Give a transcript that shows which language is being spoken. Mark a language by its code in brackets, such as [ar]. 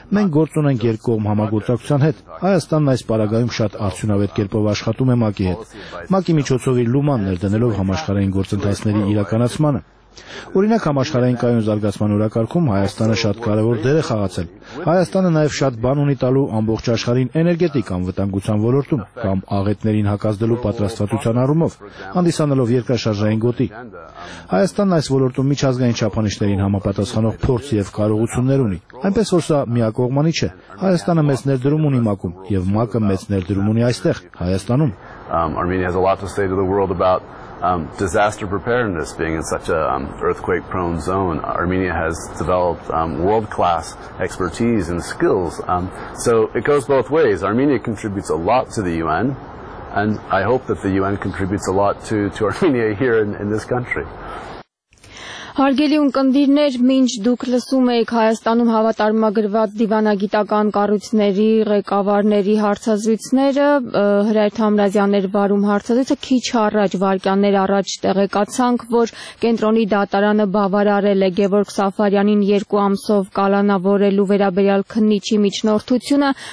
[hy] Մենք գործ ունենք երկկողմ համագործակցության հետ։ Հայաստանն այս պարագայում շատ արդյունավետ կերպով աշխատում է ՄԱԿ-ի հետ, ՄԱԿ-ի միջոցով իր լուման ներդնելով համաշխարհային գործընթացների իրականացմանը։ Օրինակ, համաշխարհային կայուն զարգացման օրակարգում Հայաստանը շատ կարևոր դեր է խաղացել։ Հայաստանը նաև շատ բան ունի տալու ամբողջ աշխարհին էներգետիկ անվտանգության ոլորտում կամ աղետներին հակազդելու պատրաստվածության առումով, հանդիսանելով երկրաշարժային գոտի։ Հայաստանն այս ոլորտում միջազգային չափանիշներին համապատասխանող փորձ եւ կարողություններ ունի, այնպես որ սա միակողմանի չէ։ Հայաստանը մեծ ներդրում ունի ՄԱԿ-ում եւ ՄԱԿ-ը մեծ ներդրում ունի այստեղ, Հայաստանում։ [en] Armenia has a lot to say to the world about disaster preparedness, being in such a earthquake prone zone. Armenia has developed world class expertise and skills, so it goes both ways. Armenia contributes a lot to the UN, and I hope that the UN contributes a lot to Armenia here in this country. [hy] Հարգելի ուղդիրներ, մինչ դուք լսում եք Հայաստանում հավատարմագրված դիվանագիտական կառույցների ղեկավարների հարցազրույցները, Հրայր Համրազյաններ վարում հարցազրույցը, քիչ առաջ վարկյաններ առաջ տեղեկացանք, որ կենտրոնի դատարանը բավարարել է Գևորգ Սաֆարյանին 2 ամսով կալանավորելու վերաբերյալ քննիչի միջնորդությունը,